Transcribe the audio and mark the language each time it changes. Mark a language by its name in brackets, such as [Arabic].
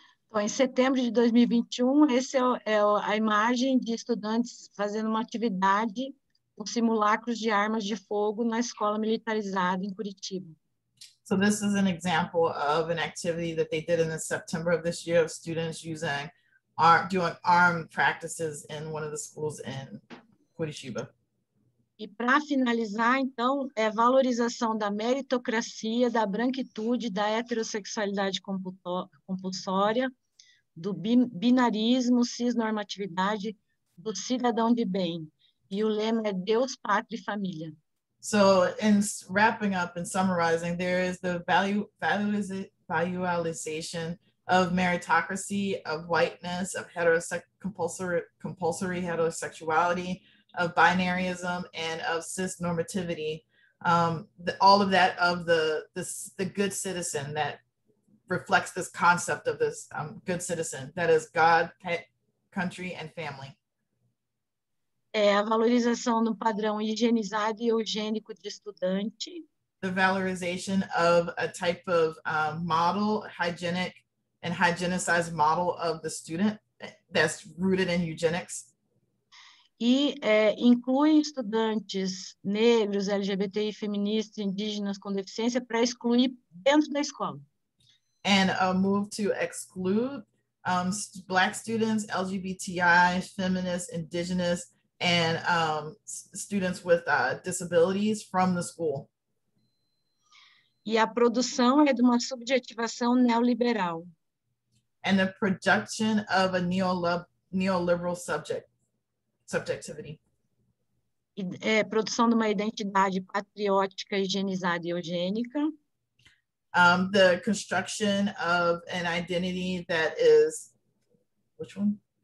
[Portuguese] Então, em setembro de 2021, esse é a imagem de estudantes fazendo uma atividade com simulacros de armas de fogo na escola militarizada em Curitiba. [English] So this is an example of an activity that they did in the September of this year of students using doing armed practices in one of the schools in Curitiba. [Portuguese] E para finalizar, então, é valorização da meritocracia, da branquitude, da heterossexualidade compulsória, do binarismo, cisnormatividade, do cidadão de bem. E o lema é Deus, Pátria e Família. [English] So, in wrapping up and summarizing, there is the valuation of meritocracy, of whiteness, of compulsory heterosexuality, of binaryism, and of cisnormativity. All of that of the good citizen that reflects this concept of this good citizen, that is God, pet, country, and family. [Portuguese] É a valorização do padrão higienizado e eugênico de estudante. [English] The valorization of a type of model, hygienic and hygienicized model of the student. that's rooted in eugenics. [Portuguese] E é, inclui estudantes negros, LGBTI, feministas, indígenas com deficiência para excluir dentro da escola. [English] And a move to exclude Black students, LGBTI, feminists, indigenous, and students with disabilities from the school. [Portuguese] E a produção é de uma subjetivação neoliberal. [English] And the production of a neoliberal subjectivity. [Portuguese] E, é, produção de uma identidade patriótica, higienizada e eugênica. [English] The construction of an identity that is, which one?